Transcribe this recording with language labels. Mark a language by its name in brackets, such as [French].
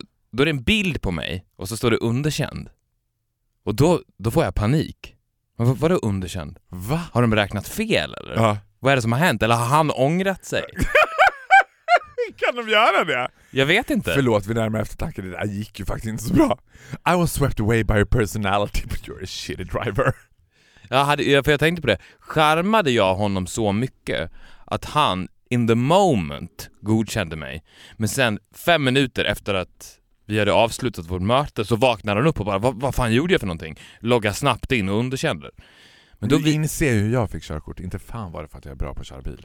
[Swedish] Då är det en bild på mig och så står det underkänd. Och då får jag panik. Vad är det underkänd? Va? Har de räknat fel eller? Ja. Vad är det som har hänt? Eller har han ångrat sig? Kan de göra det? Jag vet inte. Förlåt, vi närmar eftertanke. Det där gick ju faktiskt inte så bra. [English] I was swept away by your personality, but you're a shitty driver. [Swedish] Jag tänkte på det. Charmade jag honom så mycket att han, [English] in the moment, [Swedish] godkände mig. Men sen 5 minuter efter att Vi hade avslutat vårt möte så vaknade han upp och bara, vad fan gjorde jag för någonting? Logga snabbt in och underkände. Men då inser hur jag fick körkort. Inte fan var det för att jag är bra på att köra bil.